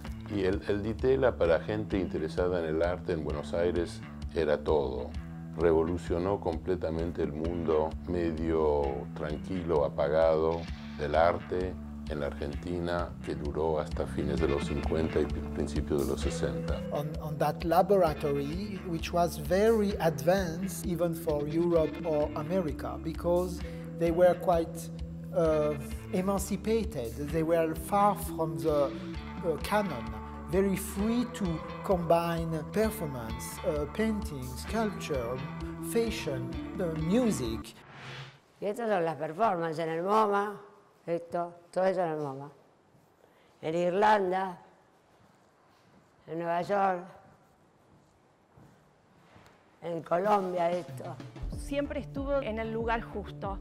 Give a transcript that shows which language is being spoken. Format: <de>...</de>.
<es>Y el Ditela para gente interesada en el arte en Buenos Aires era todo. Revolucionó completamente el mundo medio tranquilo, apagado del arte en la Argentina, que duró hasta fines de los 50 y principios de los 60.</es> <en>On that laboratory, which was very advanced even for Europe or America, because they were quite emancipated. They were far from the canon, very free to combine performance, painting, sculpture, fashion, music.</en> <es>Y estas son las performances en el MoMA. Esto, todo eso en el MoMA. En Irlanda, en Nueva York, en Colombia, esto. Siempre estuvo en el lugar justo.</es>